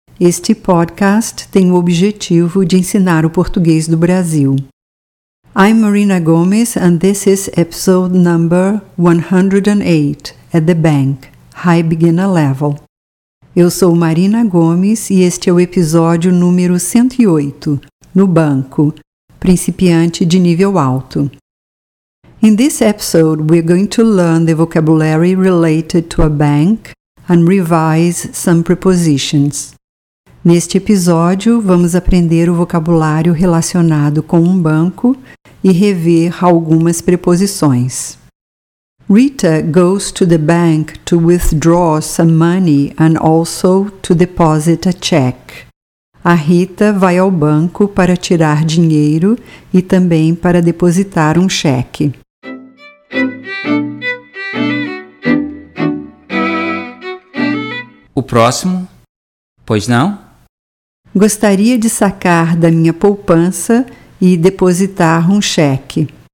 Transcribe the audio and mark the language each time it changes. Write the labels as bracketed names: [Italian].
[Portuguese] Este podcast tem o objetivo de ensinar o português do Brasil. [English] I'm Marina Gomes and this is episode number 108, At the Bank, High Beginner Level. [Portuguese] Eu sou Marina Gomes e este é o episódio número 108, No Banco, Principiante de Nível Alto. [English] In this episode, we're going to learn the vocabulary related to a bank and revise some prepositions. [Portuguese] Neste episódio, vamos aprender o vocabulário relacionado com um banco e rever algumas preposições. [English] Rita goes to the bank to withdraw some money and also to deposit a check. [Portuguese] A Rita vai ao banco para tirar dinheiro e também para depositar um cheque. O próximo? Pois não? Gostaria de sacar da minha poupança e depositar um cheque.